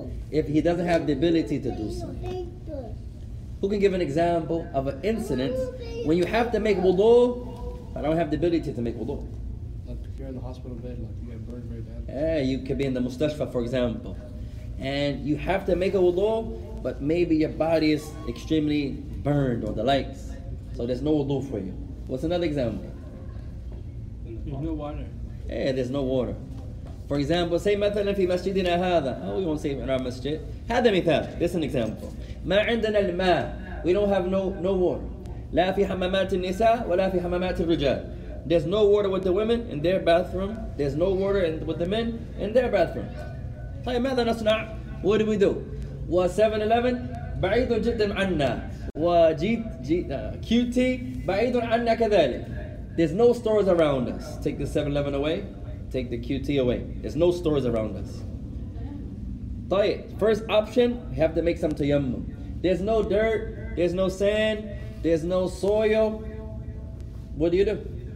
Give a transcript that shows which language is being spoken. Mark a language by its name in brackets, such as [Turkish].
[English] If he doesn't have the ability to do so. Who can give an example of an incident when you have to make wudu, but I don't have the ability to make wudu? Like if you're in the hospital bed, like you get burned very badly. Yeah, you could be in the mustashfa, for example. And you have to make a wudu, but maybe your body is extremely burned or the likes. So there's no wudu for you. What's another example? There's no water. Yeah, there's no water. For example, say [Arabic] مثلا في مسجدنا هذا. [English] Oh, we won't say in our masjid. [Arabic] هذا مثال. [English] This is an example. [Arabic] ما عندنا الماء. [English] We don't have no water. [Arabic] لا في حمامات النساء ولا في حمامات الرجال. [English] There's no water with the women in their bathroom. There's no water with the men in their bathroom. [Arabic] طيب ماذا نصنع? [English] What do we do? [Arabic] و7-Eleven بعيد جدا عنا. وQT بعيد عنا كذلك. [English] There's no stores around us. Take the 7-Eleven away. Take the QT away. There's no stores around us. طيب, first option, you have to make some tayammum. There's no dirt, there's no sand, there's no soil. What do you do?